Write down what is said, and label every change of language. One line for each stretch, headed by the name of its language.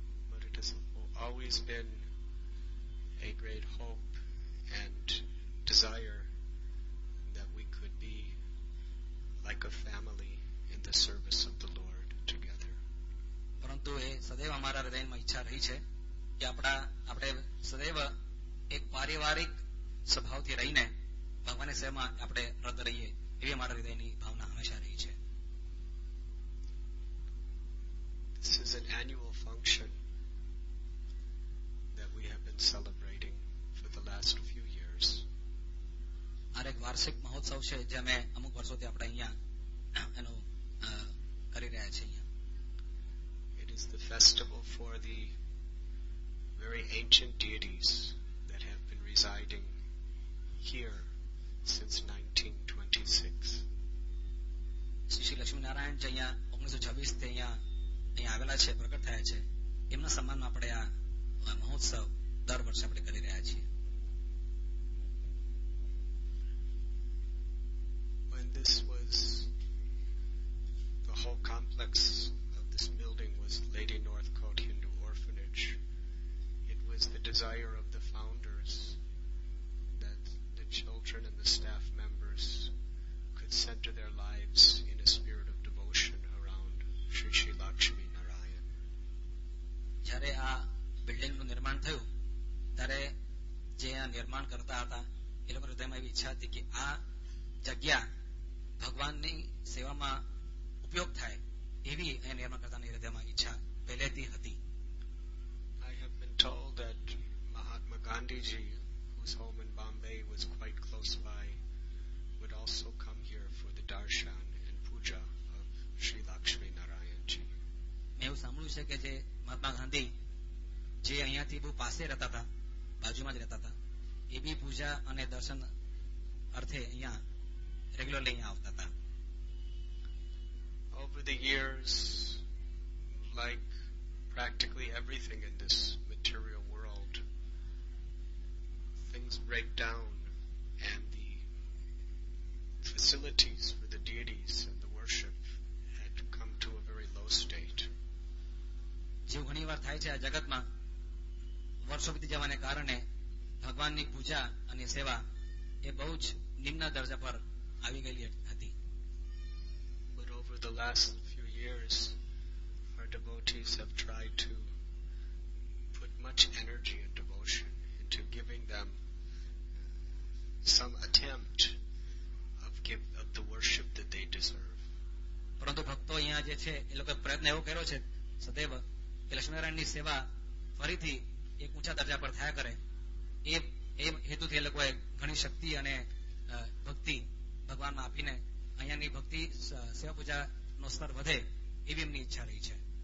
English: But it has always been a great hope and desire that we could be like a family in the service of the Lord together.
Gujarati: પરંતુ એ સદૈવ અમારા હૃદયમાં ઈચ્છા રહી છે કે આપણે સદૈવ એક પારિવારિક સ્વભાવથી રહીને ભગવાનની સેવામાં આપણે રત રહીએ એવી અમારા હૃદયની ભાવના હંમેશા રહી છે.
English: This is an annual function that we have been celebrating for the last few years.
Gujarati: આ એક વાર્ષિક મહોત્સવ છે જે અમે અમુક વર્ષોથી આપણે અહીંયા એનો કરી રહ્યા છીએ.
English: It is the festival for the very ancient deities that have been residing here since 1926.
Gujarati: Shri Laxminarayan જે અહીંયા 1926 અહીંયા આવેલા છે, પ્રગટ થયા છે, એમના સન્માનમાં આપણે આ મહોત્સવ દર વર્ષે આપણે કરી રહ્યા છીએ.
English: This was the whole complex of this building was Lady Northcote Hindu Orphanage. It was the desire of the founders that the children and the staff members could center their lives in a spirit of devotion around Shri Shri Lakshmi Narayan.
Gujarati: જ્યારે આ building નું નિર્માણ થયું ત્યારે જે આ નિર્માણ કરતા હતા એ લોકો હૃદયમાં એવી ઈચ્છા હતી કે આ જગ્યા ભગવાનની સેવામાં ઉપયોગ થાય એવી એને એમાં કરતાની હૃદયમાં ઈચ્છા પહેલેથી હતી.
English: I have been told that Mahatma Gandhiji, whose home in Bombay was quite close by, would also come here for the darshan and puja of Shri Lakshmi Narayan ji.
Gujarati: મેં એવું સાંભળ્યું છે કે જે મહાત્મા ગાંધી જે અહીંયાથી બહુ પાસે રહેતા હતા, બાજુમાં જ રહેતા હતા, એ બી પૂજા અને દર્શન અર્થે અહીંયા regularly આવતા હતા.
English: Over the years, like practically everything in this material world, things break down and the facilities for the deities and the worship had come to a very low state.
Gujarati: જે ઘણી વાર થાય છે આ જગતમાં વર્ષો વિતી જવાને કારણે ભગવાનની પૂજા અને સેવા એ બહુ જ નિમ્ન દરજા પર આવી ગયેલી હતી.
English: But over the last few years our devotees have tried to put much energy and devotion into giving them some attempt of the worship that they deserve.
Gujarati: પરંતુ ભક્તો અહીંયા જે છે એ લોકો પ્રયત્ન એવો કર્યો છે સદૈવ કે લક્ષ્મીનારાયણની સેવા ફરીથી એક ઊંચા દરજા પર થયા કરે એ હેતુથી એ લોકોએ ઘણી શક્તિ અને ભક્તિ ભગવાનમાં આપીને અહીંયાની ભક્તિ સેવા પૂજાનો સ્તર વધે એવી એમની ઈચ્છા રહી છે.